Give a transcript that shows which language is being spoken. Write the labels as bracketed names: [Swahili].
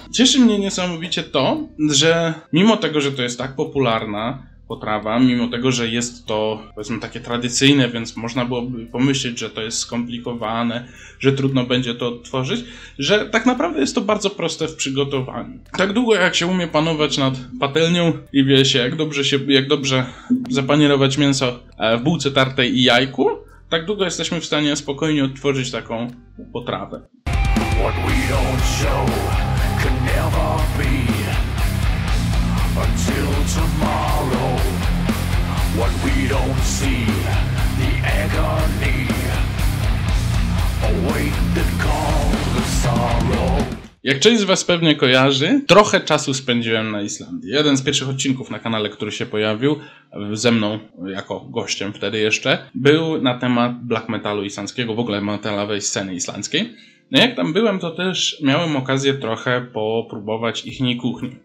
[Polish] Cieszy mnie niesamowicie to, że mimo tego, że to jest tak popularna potrawa, mimo tego, że jest to, powiedzmy, takie tradycyjne, więc można byłoby pomyśleć, że to jest skomplikowane, że trudno będzie to odtworzyć, że tak naprawdę jest to bardzo proste w przygotowaniu. Tak długo, jak się umie panować nad patelnią i wie się, jak dobrze zapanierować mięso w bułce tartej i jajku, tak długo jesteśmy w stanie spokojnie odtworzyć taką potrawę. [English] What we don't show can never be. Until tomorrow, what we don't see, the agony, await the call of sorrow. [Polish] Jak część z was pewnie kojarzy, trochę czasu spędziłem na Islandii. Jeden z pierwszych odcinków na kanale, który się pojawił ze mną jako gościem wtedy jeszcze, był na temat black metalu islandzkiego, w ogóle metalowej sceny islandzkiej. No jak tam byłem, to też miałem okazję trochę popróbować ich kuchni.